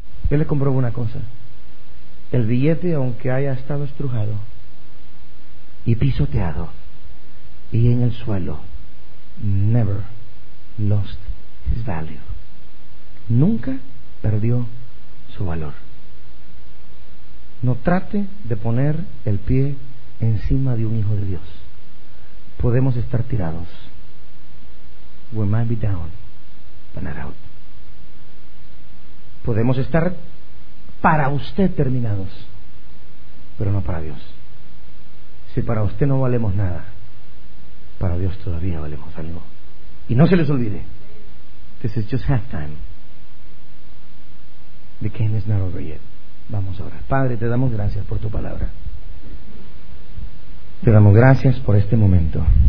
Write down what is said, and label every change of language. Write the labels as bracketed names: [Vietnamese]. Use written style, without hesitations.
[Spanish] Él le comprobó una cosa: el billete, aunque haya estado estrujado y pisoteado y en el suelo, [English] never lost his value. [Spanish] Nunca perdió su valor. No trate de poner el pie encima de un hijo de Dios. Podemos estar tirados. [English] We might be down, but not out. [Spanish] Podemos estar para usted terminados, pero no para Dios. Si para usted no valemos nada, para Dios todavía valemos algo. Y no se les olvide, [English] this is just half time. The game is not over yet. [Spanish] Vamos a orar. Padre, te damos gracias por tu palabra. Te damos gracias por este momento.